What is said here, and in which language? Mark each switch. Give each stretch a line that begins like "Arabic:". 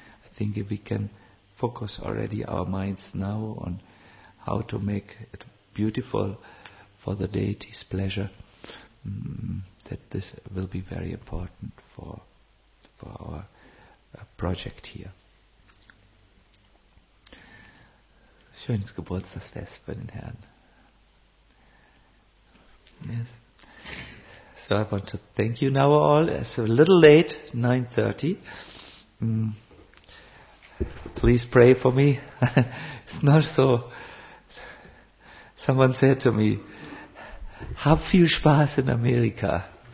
English: I think if we can focus already our minds now on how to make it beautiful for the deity's pleasure, that this will be very important for our project here.
German: Schönes Geburtstagsfest für den Herrn.
English: Yes. So I want to thank you now all. It's a little late, 9:30. Please pray for me. It's not so. Someone said to me,
German: "Hab viel Spaß in Amerika."